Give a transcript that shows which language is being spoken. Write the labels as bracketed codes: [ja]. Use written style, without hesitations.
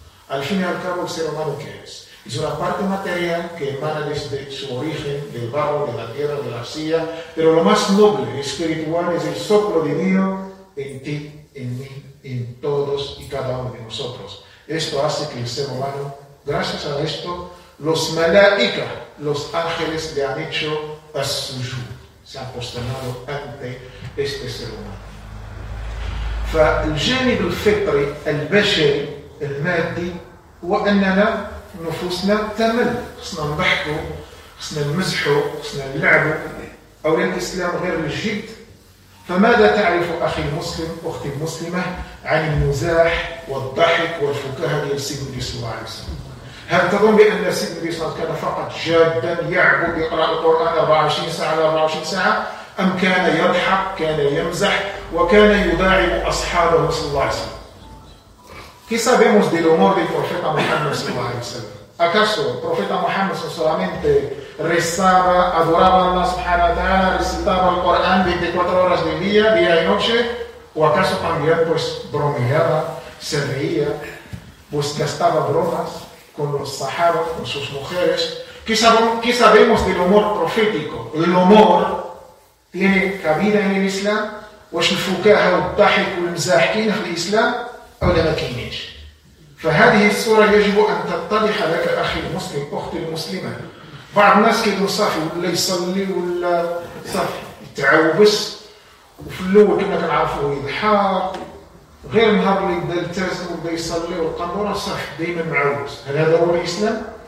[es] Al fin y al cabo, el ser humano, ¿qué es? Es una parte material que emana desde su origen, del barro, de la tierra, de la arcilla, pero lo más noble, espiritual, es el soplo divino en ti, en mí, en todos y cada uno de nosotros. Esto hace que el ser humano, gracias a esto, los malaika, los ángeles le han hecho as-sujud. se ha postanado ante este ser humano. [ar] فالجانب الفطري البشري المادي هو أننا نفوسنا تمل خصنا نضحكوا خصنا نمزحوا خصنا نلعبوا أو الإسلام غير الجد فماذا تعرف أخي المسلم أختي المسلمة عن المزاح والضحك والفكاهة ديال سيدنا صلى الله عليه وسلم هل تظن بأن سيدنا صلى الله عليه وسلم كان فقط جادا يعبد يقرأ القرآن 24 ساعة على 24 ساعة أم كان يضحك كان يمزح وكان يداعب أصحابه صلى الله عليه وسلم [es] Que sabemos del humor del profeta Muhammad sallallahu alaihi wasallam? ¿Acaso el profeta Muhammad solamente rezaba, adoraba a Allah subhanahu wa ta'ala, recitaba el Corán 24 horas del día, día y noche? ¿O acaso también pues bromeaba, se reía, pues gastaba bromas con los sahaba, con sus mujeres? ¿Qué sabemos del humor profético? ¿El humor tiene cabida en el Islam? ¿O es el fukah al-tahik al-mzahkin en el Islam? [ar] أولا ما كاينينش فهذه الصورة يجب أن تتضح لك أخي المسلم أختي المسلمة بعض الناس كيقولوا صافي ولا يصلي ولا صافي تعوبس وفي الأول كنا كنعرفوا يضحك غير نهار اللي بدا يلتزم وبدا يصلي والقنبرة صافي دائما معوبس هل هذا هو الإسلام؟